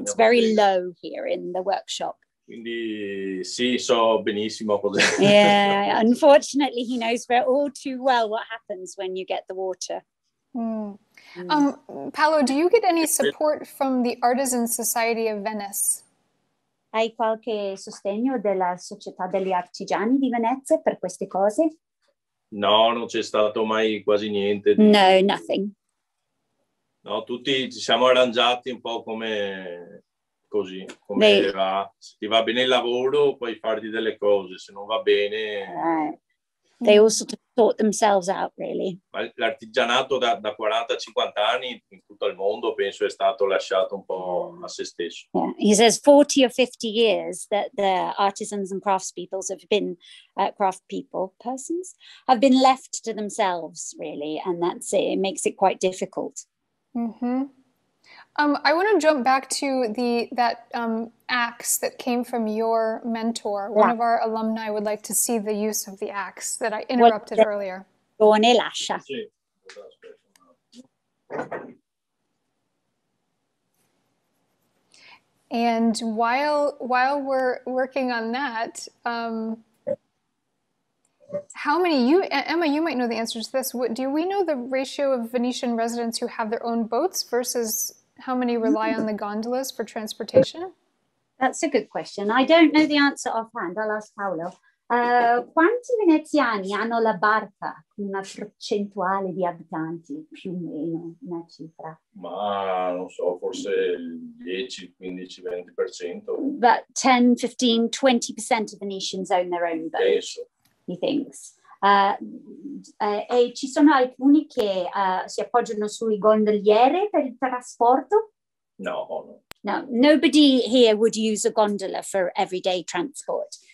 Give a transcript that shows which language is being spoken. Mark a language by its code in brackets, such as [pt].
[en] it's very bottega. Low here in the workshop. [it] Quindi sì, so benissimo cosa. [en] Yeah, unfortunately, he knows very all too well what happens when you get the water. Paolo, do you get any support from the Artisan Society of Venice? [it] Hai qualche sostegno della Società degli Artigiani di Venezia per queste cose? No, non c'è stato mai quasi niente. [en] No, nothing. [it] No, tutti ci siamo arrangiati un po' come così, come va. Se ti va bene il lavoro, puoi farti delle cose, se non va bene... [en] They all sort of sort themselves out, really. [it] Ma l'artigianato da 40-50 anni in tutto il mondo penso è stato lasciato un po' a se stesso. [en] Yeah. He says 40 or 50 years that the artisans and craftspeople have been left to themselves, really, and that's it. It makes it quite difficult. Mm-hmm. I want to jump back to that axe that came from your mentor. Yeah. One of our alumni would like to see the use of the axe that I interrupted earlier. Buone lascia. And while we're working on that, Emma, you might know the answer to this. Do we know the ratio of Venetian residents who have their own boats versus how many rely on the gondolas for transportation? That's a good question. I don't know the answer offhand. I'll ask Paolo. [it] Quanti veneziani hanno la barca con una percentuale di abitanti, più o meno, una cifra? Ma non so, forse 10, 15, 20%. [en] But 10, 15, 20% of Venetians own their own boat, he thinks. [it] E ci sono alcuni che si appoggiano sui gondoliere per il trasporto? No, no. [en] No, nobody here would use a gondola for everyday transport.